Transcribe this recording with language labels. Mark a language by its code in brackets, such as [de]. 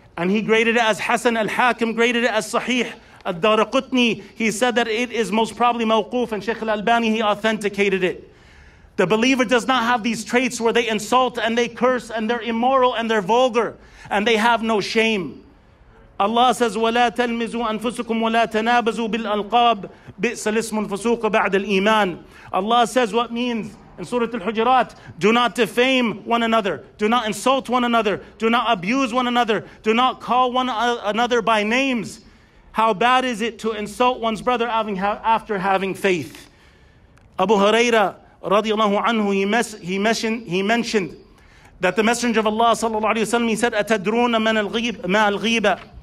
[en] And he graded it as Hasan, al-Hakim graded it as Sahih. Al-Darqutni, he said that it is most probably mawquf, and Sheikh al-Albani, he authenticated it. The believer does not have these traits where they insult and they curse and they're immoral and they're vulgar and they have no shame. Allah says, [ar] وَلَا تَلْمِزُوا أَنفُسُكُمْ وَلَا تَنَابَزُوا بِالْأَلْقَابِ بِئْسَ الْإِسْمُ الْفُسُوقُ بَعْدَ الْإِيمَانِ. [en] Allah says what means in Surah Al-Hujurat, do not defame one another, do not insult one another, do not abuse one another, do not call one another by names. How bad is it to insult one's brother after having faith? Abu Huraira radiallahu anhu, he mentioned that the Messenger of Allah sallallahu alayhi wa sallam, he said, [ar] أَتَدْرُونَ مَا الْغِيبَ.